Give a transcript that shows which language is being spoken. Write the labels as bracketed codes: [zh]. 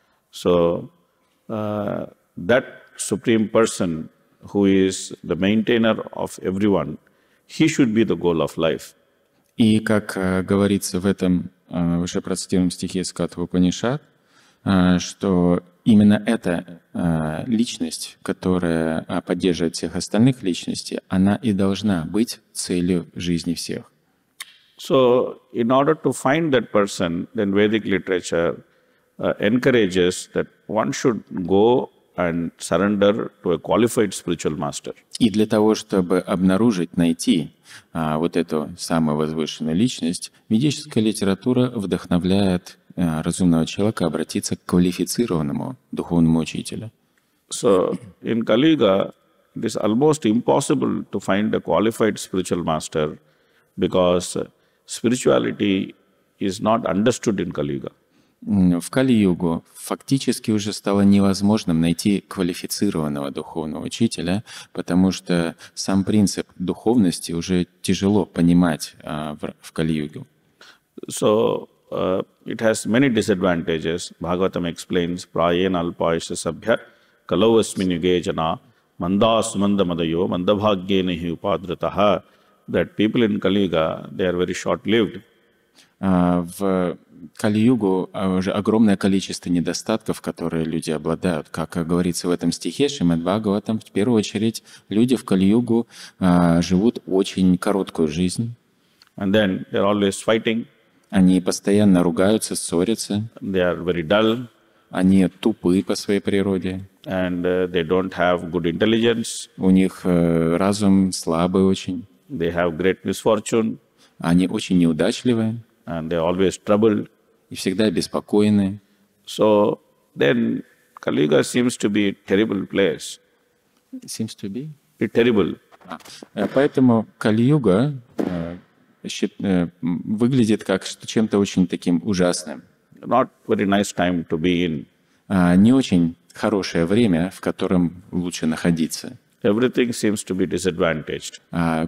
[en] So, that Supreme Person who is the maintainer of everyone, he should be the goal of life. [ru] И как говорится в этом уже процитированном стихе из Катва Упанишад, что именно эта личность, которая поддерживает всех остальных личностей, она и должна быть целью жизни всех. [en] So, in order to find that person, then Vedic literature encourages that one should go and surrender to a qualified spiritual master. [ru] И для того, чтобы обнаружить, найти вот эту самую возвышенную личность, ведическая литература вдохновляет разумного человека обратиться к квалифицированному духовному учителю. [en] So, in Kali Yuga, it is almost impossible to find a qualified spiritual master because spirituality is not understood in Kali Yuga. [ru] В Кали-югу фактически уже стало невозможным найти квалифицированного духовного учителя, потому что сам принцип духовности уже тяжело понимать в Кали-юге. [en] So, it has many disadvantages. Bhagavatam explains, [sa] prayena alpayasya sabhya kalavasmin yuge jana mandasumanda madayo mandabhagyena hi upadrataha, [en] that people in Kali-юга, they are very short-lived. [ru] В Кали-югу уже огромное количество недостатков, которые люди обладают. Как говорится в этом стихе, Шримад-Бхагаватам, в первую очередь, люди в Кали-югу живут очень короткую жизнь. [en] And then they're always fighting. [ru] Они постоянно ругаются, ссорятся. [en] They are very dull. [ru] Они тупы по своей природе. [en] And they don't have good intelligence. [ru] У них разум слабый очень. [en] They have great misfortune. [ru] Они очень неудачливы. [en] And they're always troubled. [ru] И всегда беспокойны. [en] So then Kali Yuga seems to be a terrible place. Seems to be? A terrible. [ru] Поэтому Кали-юга выглядит как чем-то очень таким ужасным. [en] Not very nice time to be in. [ru] Не очень хорошее время, в котором лучше находиться. [en] Everything seems to be disadvantaged.